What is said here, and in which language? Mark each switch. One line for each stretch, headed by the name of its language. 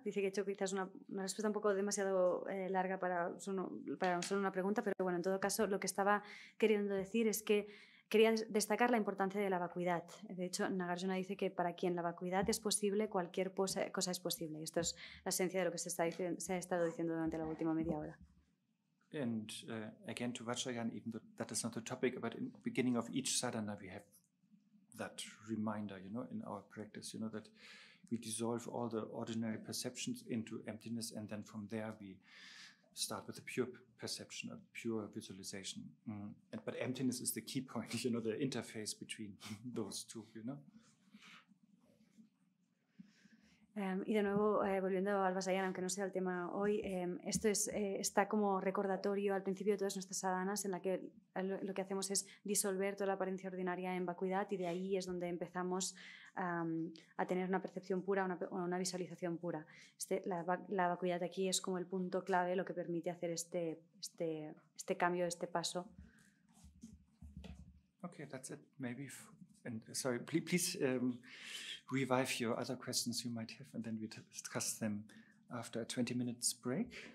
Spanish: Dice que he hecho quizás una respuesta un poco demasiado larga para solo una pregunta, pero bueno, en todo caso, lo que estaba queriendo decir es que quería destacar la importancia de la vacuidad. De hecho, Nagarjuna dice que para quien la vacuidad es posible, cualquier cosa es posible. Y esto es la esencia de lo que se ha estado diciendo durante la última media hora.
English: And again, to Vajrayana, even though that is not the topic, but in the beginning of each sadhana, we have that reminder, you know, in our practice, you know, that we dissolve all the ordinary perceptions into emptiness, and then from there we start with a pure perception, a pure visualization. Mm. But emptiness is the key point, you know, the interface between those two, you know.
Spanish: Y de nuevo, volviendo al Vajrayana, aunque no sea el tema hoy, esto es, está como recordatorio al principio de todas nuestras sadhanas, en la que lo que hacemos es disolver toda la apariencia ordinaria en vacuidad, y de ahí es donde empezamos a tener una percepción pura, una visualización pura. La vacuidad aquí es como el punto clave, lo que permite hacer este cambio, este paso.
English: Okay, that's it. Maybe. And sorry, please revive your other questions you might have, and then we discuss them after a 20 minutes break.